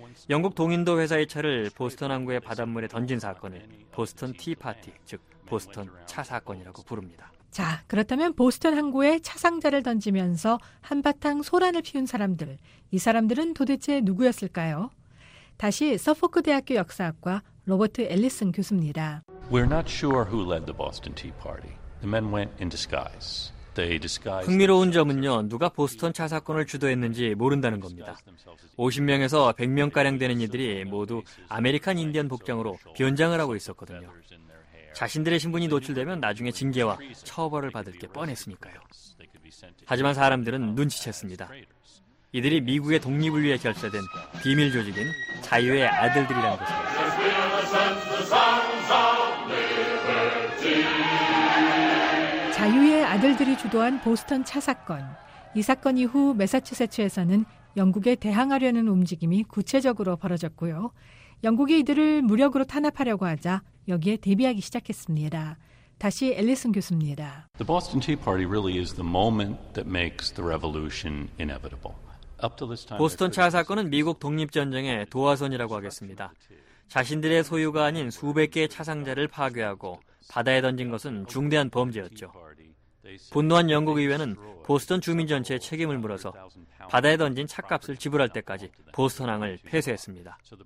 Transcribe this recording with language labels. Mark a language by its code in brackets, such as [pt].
[ko] 영국 동인도 회사의 차를 보스턴 항구의 바닷물에 던진 사건을 보스턴 티파티, 즉 보스턴 차 사건이라고 부릅니다. 자, 그렇다면 보스턴 항구에 차 상자를 던지면서 한바탕 소란을 피운 사람들, 이 사람들은 도대체 누구였을까요? 다시 서포크 대학교 역사학과 로버트 엘리슨 교수입니다. [en] We're not sure who led the Boston Tea Party. The men went in disguise. They disguised. [ko] 흥미로운 점은요, 누가 보스턴 차 사건을 주도했는지 모른다는 겁니다. 50명에서 100명가량 되는 이들이 모두 아메리칸 인디언 복장으로 변장을 하고 있었거든요. 자신들의 신분이 노출되면 나중에 징계와 처벌을 받을 게 뻔했으니까요. 하지만 사람들은 눈치챘습니다. 이들이 미국의 독립을 위해 결사된 비밀 조직인 자유의 아들들이라는 것입니다. 자유의 아들들이 주도한 보스턴 차 사건. 이 사건 이후 매사추세츠에서는 영국에 대항하려는 움직임이 구체적으로 벌어졌고요. 영국이 이들을 무력으로 탄압하려고 하자 여기에 대비하기 시작했습니다. 다시 앨리슨 교수입니다. [en] The Boston Tea Party really is the moment that makes the revolution inevitable. Up to this time, [ko] 보스턴 차 사건은 미국 독립전쟁의 도화선이라고 하겠습니다. 자신들의 소유가 아닌 수백 개의 차상자를 파괴하고 바다에 던진 것은 중대한 범죄였죠. 분노한 영국의회는 보스턴 주민 전체에 책임을 물어서 바다에 던진 차값을 지불할 때까지 보스턴항을 폐쇄했습니다.